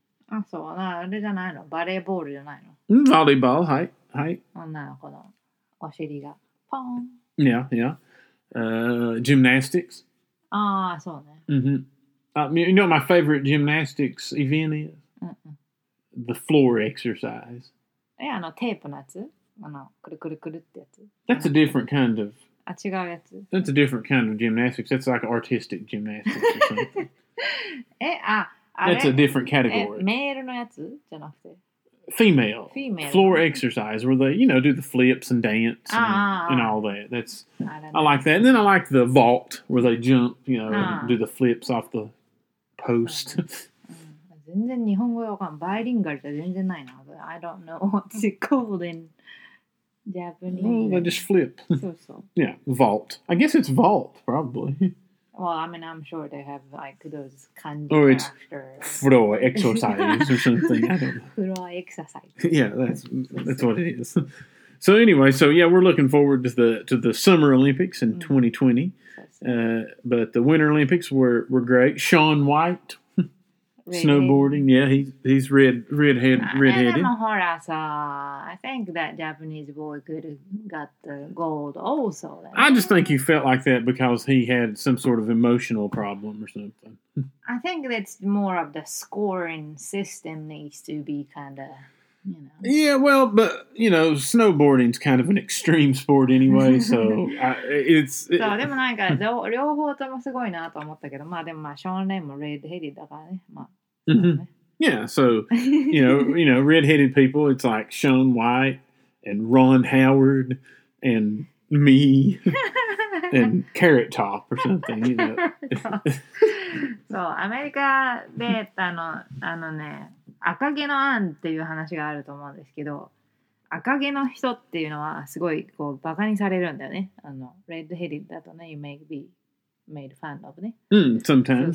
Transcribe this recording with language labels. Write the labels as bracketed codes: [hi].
[en] Ah, so, no, it's not volleyball, is it? Volleyball, hi. Oh, no, hold on. [ja] お尻が [en] pong. Yeah, yeah. Gymnastics. Ah, so, ne. Mm-hmm. You know what my favorite gymnastics event is? Mm-mm. The floor exercise. Yeah, [ja] あのテープのやつ。くるくるくるってやつ。 [en] That's a different kind of... [ja] あ、違うやつ。 [en] That's a different kind of gymnastics. That's like artistic gymnastics or something. [ja] え、あ、あれ? [en] That's a different category. [ja] メールのやつじゃなくて。 [en] Female. Female. Floor exercise where they, you know, do the flips and dance and all that. That's, I like that. And then I like the vault where they jump, you know, and do the flips off the post. [ja] 全然日本語わかんない。バイリンガルって全然ないな。 [en] I don't know what's it called in... Japanese. Oh, they just flip. So. Yeah, vault. I guess it's vault, probably. Well, I mean, I'm sure they have, like, those kanji characters. Or it's floor exercise or something. I don't know. Floor exercise. Yeah, that's what it is. So anyway, so yeah, we're looking forward to the Summer Olympics in 2020. But the Winter Olympics were great. Sean White, snowboarding. Yeah, he's redheaded. Yeah, but then, so I think that Japanese boy could have got the gold also. Then. I just think he felt like that because he had some sort of emotional problem or something. I think that's more of the scoring system needs to be kind of, you know. Yeah, well, but, you know, snowboarding's kind of an extreme sport anyway, so [ja] そう、でもなんか両方ともすごいなと思ったけど、まあでもまあ少年もレッドヘディだからね。まあ、 mm-hmm. [en] Yeah, so, you know, red-headed people, it's like Sean White and Ron Howard and me and Carrot Top or something, you know. [ja] そう、アメリカで、あのね、赤毛のアンっていう話があると思うんですけど、赤毛の人っていうのはすごいこうバカにされるんだよね。 [en] あの、red-headed [ja] だとね、 [en] you may be made fun of ね。うん、sometimes,